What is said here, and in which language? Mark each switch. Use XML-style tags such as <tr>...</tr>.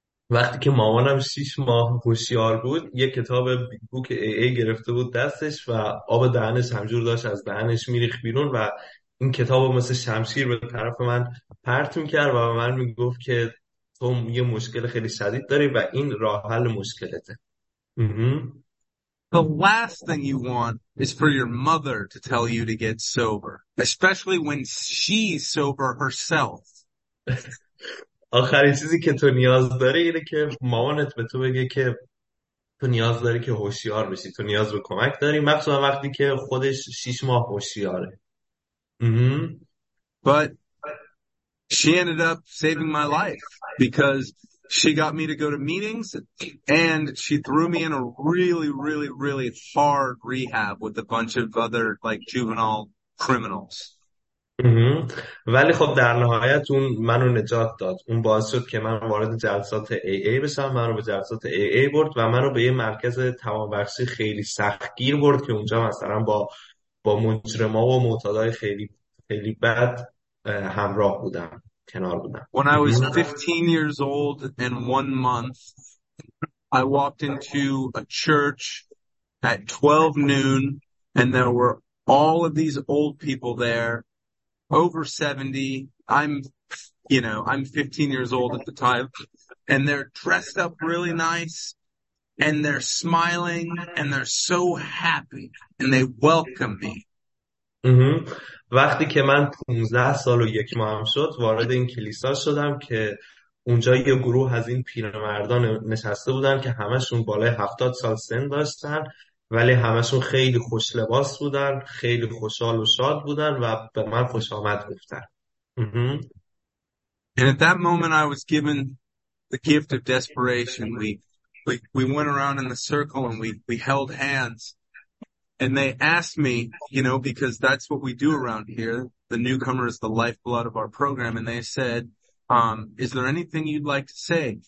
<fa>وقتی که مامانم 6 ماه هوشیار بود، یک کتاب بوک ای ای گرفته بود دستش و آب دهنش همجور داشت از دهنش میریخ بیرون و این کتاب رو مثل شمشیر به طرف من پرت میکرد و من میگفت که تو یه مشکل خیلی شدید داری و این راه حل مشکلته.</fa> <en>The last thing you want is for your mother to tell you to get sober, especially when she's sober herself.</en> <fa>آخرین چیزی که تو نیاز داری اینه که مامانت به تو بگه که تو نیاز داری که هوشیار بشی، تو نیاز به کمک داری، مخصوصا وقتی که خودش 6 ماه هوشیاره.</fa> <en>But she ended up saving my life because she got me to go to meetings and she threw me in a really, really, really hard rehab with a bunch of other like juvenile criminals.</en> <fa>ولی خب در نهایت اون منو نجات داد، اون باعث شد که من وارد جلسات AA بشم، منو به جلسات AA برد و منو به یه مرکز تمام بخشی خیلی سختگیر برد که اونجا مثلا با مجرما و معتادای خیلی خیلی بد همراه بودم، کنار بودم.</fa> <en>When I was 15 years old and 1 month, I walked into a church at 12 noon, and there were all of these old people there, over 70. I'm 15 years old at the time, and they're dressed up really nice, and they're smiling, and they're so happy, and they welcome me.</en> <fa>وقتی که من 15 سال و یک ماه شد وارد این کلیسا شدم که اونجا یه گروه از این پیرمردان نشسته بودن که همشون بالای 70 سال سن داشتن، ولی همشون خیلی خوش لباس بودن، خیلی خوشحال و شاد بودن و به من خوش آمد گفتن.</fa> <en>And at that moment I was given the gift of desperation. We went around in the circle and we held hands. And they asked me, you know, because that's what we do around here. The newcomer is the lifeblood of our program. And they said, is there anything you'd like to say?</en>